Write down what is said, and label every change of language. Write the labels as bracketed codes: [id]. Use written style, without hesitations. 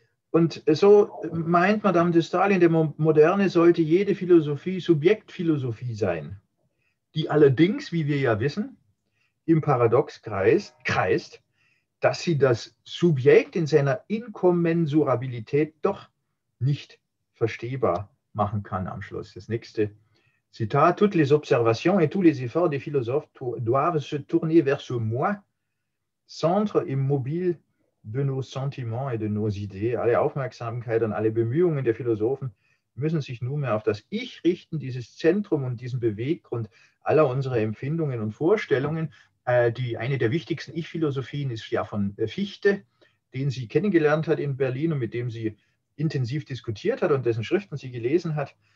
[de] Und so meint Madame de Staël, in der Moderne sollte jede Philosophie Subjektphilosophie sein, die allerdings, wie wir ja wissen, im Paradox kreist, dass sie das Subjekt in seiner Inkommensurabilität doch nicht verstehbar machen kann am Schluss. Das nächste Zitat: [fr] Toutes les observations et tous les efforts des philosophes doivent se tourner vers ce moi, centre immobile de nos sentiments et de nos idées. [de] Alle Aufmerksamkeit und alle Bemühungen der Philosophen müssen sich nunmehr auf das Ich richten, dieses Zentrum und diesen Beweggrund aller unserer Empfindungen und Vorstellungen. Eine der wichtigsten Ich-Philosophien ist ja von Fichte, den sie kennengelernt hat in Berlin und mit dem sie intensiv diskutiert hat und dessen Schriften sie gelesen hat.